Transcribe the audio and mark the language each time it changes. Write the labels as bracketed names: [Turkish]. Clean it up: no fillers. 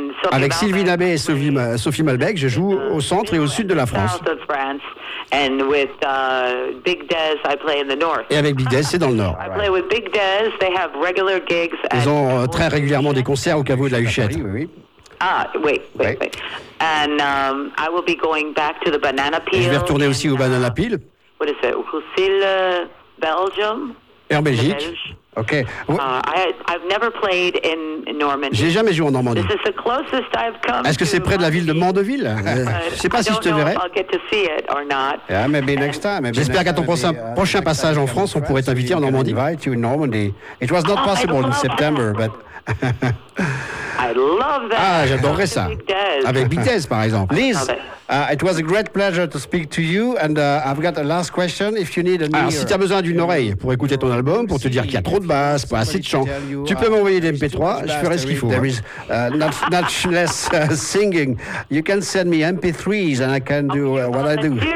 [French] Avec Sylvie Nabé et Sophie Malbec, je joue au centre et au sud de la France. [English] And with Big Dez, I play in the north. [French] Et avec Big Dez, c'est dans le nord. [English] I play with Big Dez. They have regular gigs. [French] Ils ont très régulièrement des concerts au caveau de la Huchette. Oui, oui, oui. [English] And I will be going back to the Banana Peel. [French] Et je vais retourner aussi au Banana Peel. [English] What is it? Roussille, Belgium. [French] En Belgique. Ok. [English] I've never played in Normandie. [French] J'ai jamais joué en Normandie. [English] This is the closest I've come. [French] Est-ce que c'est près de la ville de Mandeville? Je sais pas si je te verrai. [English] I'll get to see it or not. Yeah, maybe next time. Maybe [French] j'espère qu'à ton prochain passage en France, on pourrait t'inviter en Normandie. [English] Invite you in Normandy. It was not possible in September, but. I love that. [French] Ah, j'adorerais ça. Avec Big Dez, par exemple. [English] Liz, it was a great pleasure to speak to you, and I've got a last question. If you need a. [French] Alors, si t'as besoin d'une oreille pour écouter ton album, pour te dire qu'il y a trop de basses, pas assez de chants, tu peux m'envoyer des MP3, je ferai ce qu'il faut. [English] There is not less singing. You can send me MP3s, and I can do what I do.